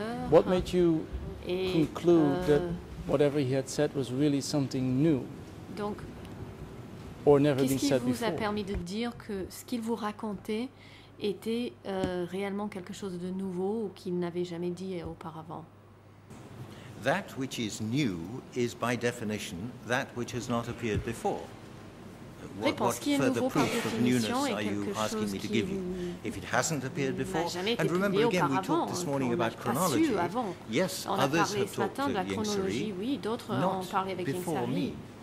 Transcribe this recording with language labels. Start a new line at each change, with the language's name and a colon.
English: What made you conclude that whatever he had said was really something new? Or never been said before.
French: A permis de dire que ce qu'il vous racontait était réellement quelque chose de nouveau ou qu'il n'avait jamais dit auparavant?
English: That which is new is by definition that which has not appeared before. What further proof of newness are you asking me to give you? If it hasn't appeared before, and remember again, we talked this morning about chronology. Yes, others have talked to Ying Sari, not before me.